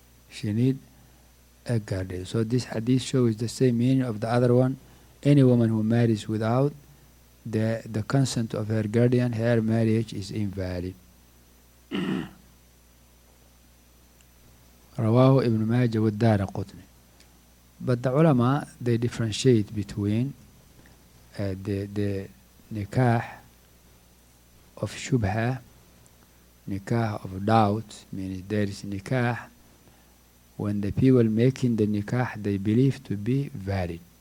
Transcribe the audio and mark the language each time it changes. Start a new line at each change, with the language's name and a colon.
English: She needs a guardian. So this hadith shows the same meaning of the other one. Any woman who marries without the consent of her guardian, her marriage is invalid.
Arabic: رواه ابن ماجه والدار قطني.
English: But the ulama, they differentiate between the nikah of shubha, nikah of doubt, meaning there is nikah when the people making the nikah, they believe to be valid.